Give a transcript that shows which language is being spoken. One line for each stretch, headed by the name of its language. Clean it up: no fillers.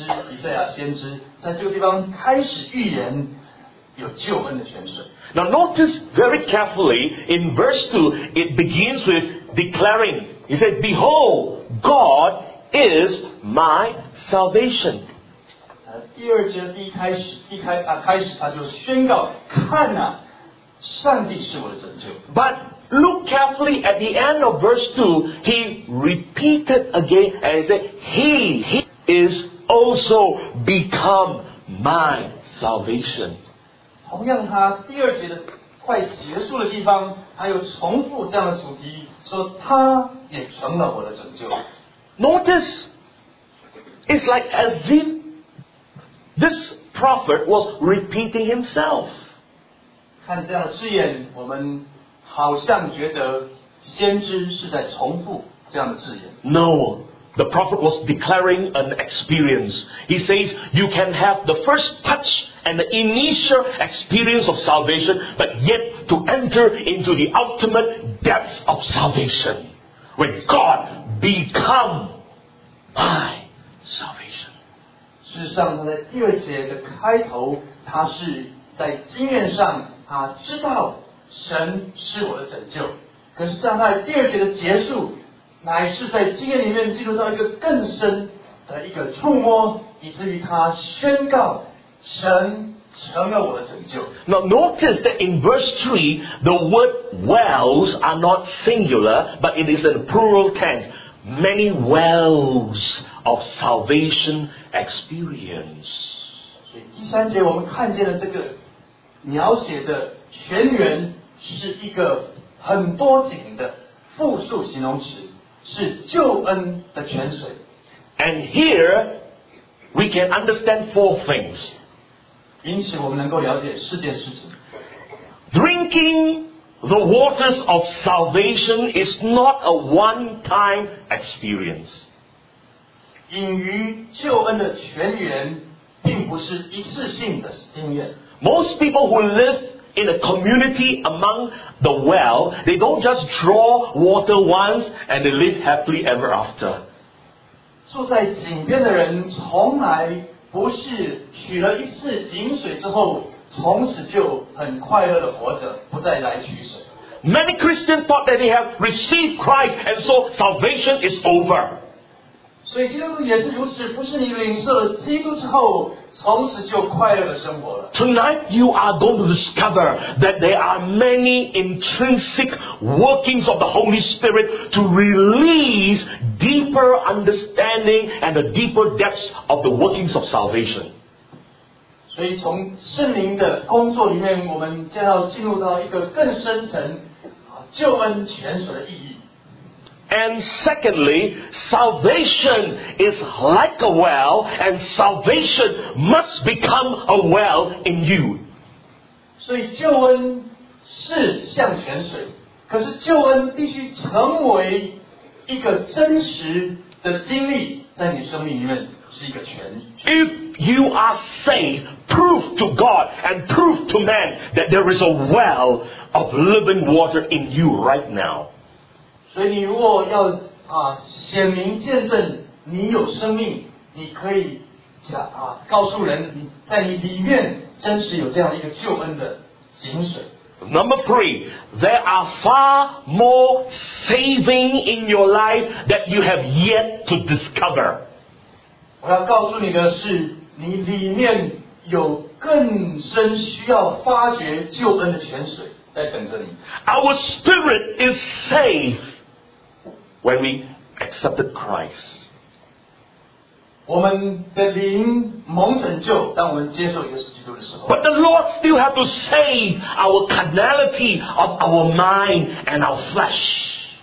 Chinese: 以赛亚先知在这个地方开始预言有救恩的泉水。
English: Now notice very carefully in verse 2, it begins with declaring. He said, behold, God is my salvation.
Chinese: 第二节第一开始他就宣告，看哪，上帝是我的拯救。
English: But look carefully at the end of verse 2, he repeated again and said, he is also become my salvation.
Chinese: 同样他第二节的快结束的地方他又重复这样的主题说他也成了我的拯救。
English: Notice, it's like as if this prophet was repeating himself.
Chinese: 看这样的字眼我们好像觉得先知是在重复这样的字眼。
English: No, the prophet was declaring an experience. He says, you can have the first touch and the initial experience of salvation, but yet to enter into the ultimate depths of salvation. When God become my salvation.
Chinese: 事实上他在第二节的开头他是在经验上他知道神是我的拯救，可是上在第二节的结束，乃是在经验里面进入到一个更深的一个触摸，以至于他宣告神成了我的拯救。
English: Now notice that in verse 3, the word wells are not singular, but it is in plural tense. Many wells of salvation experience.
Chinese: 所以第三节我们看见了这个描写的泉源是一个很多井的复数形容词，是救恩的泉水。
English: And here we can understand four things.
Chinese: 因此我们能够了解四件事情。
English: Drinking the waters of salvation is not a one-time experience.
Chinese: 饮于救恩的泉源并不是一次性的经验。
English: Most people who live in a community among the well, they don't just draw water once and they live happily ever after.
Chinese: 住在井边的人从来不是取了一次井水之后从此就很快乐的活着，不再来取水。
English: Many Christians thought that they have received Christ and so salvation is over.
Chinese: 所以基督徒也是如此，不是你领受了基督之后从此就快乐的生活了。
English: Tonight you are going to discover that there are many intrinsic workings of the Holy Spirit to release deeper understanding and the deeper depths of the workings of salvation.
Chinese: 所以从圣灵的工作里面，我们将要进入到一个更深层救恩泉水的意义。
English: And secondly, salvation is like a well, and salvation must become a well in you.
Chinese: 所以救恩是像泉水，可是救恩必须成为一个真实的经历，在你生命里面是一个泉。
English: If you are saved, prove to God and prove to man that there is a well of living water in you right now.
Chinese: 所以你如果要显明见证你有生命，你可以告诉人你在你里面真实有这样一个救恩的井水。
English: Number three, there are far more saving in your life that you have yet to discover.
Chinese: 我要告诉你的是，你里面有更深需要发掘救恩的泉水在等着你。
English: Our spirit is safe. When we accepted Christ,
Chinese: 我们的灵蒙拯救，当我们接受耶稣基督的时候。
English: But the Lord still has to save our carnality of our mind and our flesh.